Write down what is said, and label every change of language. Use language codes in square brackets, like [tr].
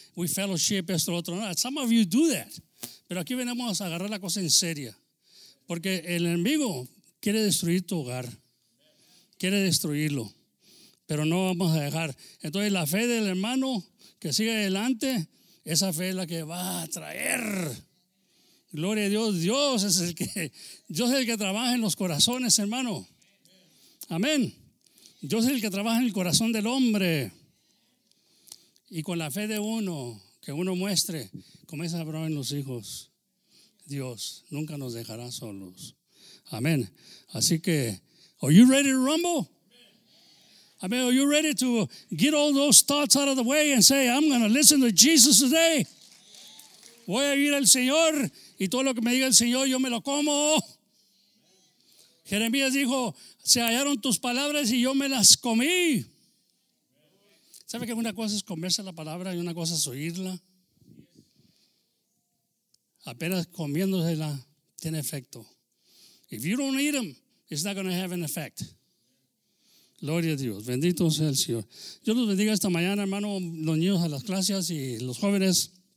[en] We fellowship, [es] esto, lo otro. [en] No, some of you do that. [es] Pero aquí venimos a agarrar la cosa en serio. Porque el enemigo quiere destruir tu hogar. Quiere destruirlo. Pero no vamos a dejar. Entonces la fe del hermano que sigue adelante, esa fe es la que va a traer. Gloria a Dios. Dios es el que trabaja en los corazones, hermano. Amén. Dios es el que trabaja en el corazón del hombre. Y con la fe de uno, que uno muestre, comienza a brotar en los hijos. Dios nunca nos dejará solos. Amén. Así que, [en] are you ready to rumble? I mean, are you ready to get all those thoughts out of the way and say, I'm going to listen to Jesus today? [es] Voy a ir al Señor y todo lo que me diga el Señor, yo me lo como. Jeremías dijo, se hallaron tus palabras y yo me las comí. ¿Sabe que una cosa es comerse la palabra y una cosa es oírla? Apenas comiéndosela, tiene efecto. [en] If you don't eat them, it's not going to have an effect. [es] Gloria a Dios, bendito sea el Señor. Dios los bendiga esta mañana, hermano, los niños a las clases y los jóvenes.